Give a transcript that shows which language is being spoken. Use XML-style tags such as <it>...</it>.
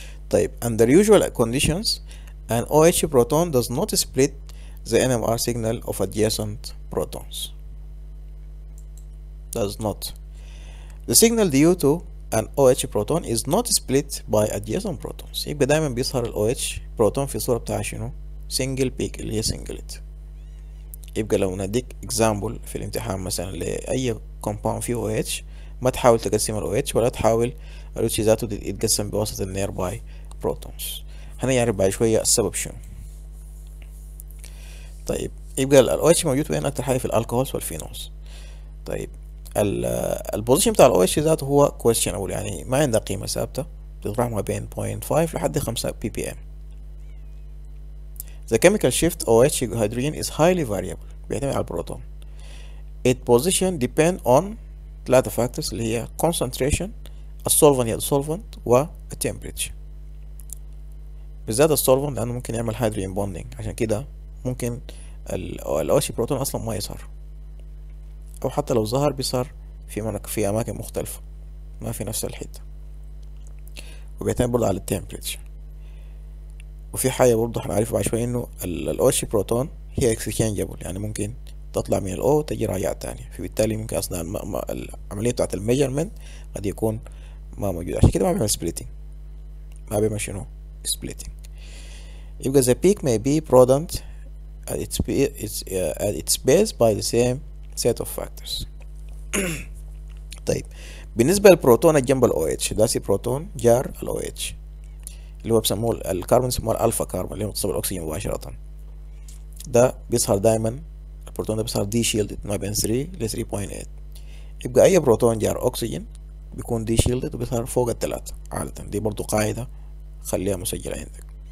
<ar>طيب</ar> <en>under usual conditions an OH proton does not split the NMR signal of adjacent protons. Does not. The signal due to an OH proton is not split by adjacent protons.</en> <ar>يبقى دايما بيظهر ال OH proton في صورة بتاعها شنو؟ single peak اللي هي singlet. يبقى لو نديك example في الامتحان مثلا لأي compound فيه OH، ما تحاول تقسم ال OH ولا تحاول ال OH ذاته يتقسم بواسطة ال nearby بروتونز. هنعرف بعد شوية السبب شنو. طيب يبقى ال OH موجود وين أكتر حاجة؟ في الألكوهولز والفينولز. طيب البوزيشن بتاع ال OH ذاته هو questionable، يعني ما عنده قيمة ثابتة، بتتراوح ما بين 0.5 لحد 5 ppm.</ar> <en>The chemical shift OH hydrogen is highly variable،</en> <ar>بيعتمد على البروتون.</ar> <en>It position depend on</en> <ar>ثلاثة فاكتورز اللي هي concentration، السولفنت، هي السولفنت و temperature، بالذات السولفنت لانه ممكن يعمل هيدروجين بوندنج، عشان كده ممكن ال OH بروتون اصلا ما يظهر، او حتى لو ظهر بيظهر في اماكن مختلفة ما في نفس الحتة، وبيعتمد برضه على التمبريتشر. وفي حاجة برضه هنعرفها بعد شوية انه ال OH بروتون هي اكسشينجبل، يعني ممكن تطلع من ال O وتجي راجع تاني، فبالتالي ممكن اثناء العملية بتاعت الميجرمنت قد يكون ما موجود، عشان كده ما بيعمل سبليتنج، ما بيعمل شنو؟ splitting.</ar> <en>يبقى the peak may be prodromed at its at its base by the same set of factors.</en> <ar>طيب بالنسبة للبروتون جنب ال OH، ده سي بروتون جار ال OH اللي هو بسموه الكربون، بسموه الألفا كربون اللي هو متصل بالأكسجين مباشرة، ده بيظهر دايما البروتون ده بيظهر دي شيلدد ما بين 3 ل 3.8. يبقى أي بروتون جار أكسجين بيكون دي شيلدد وبيظهر فوق الثلاثة عادة، دي برضو قاعدة خليها مسجلة عندك.</ar>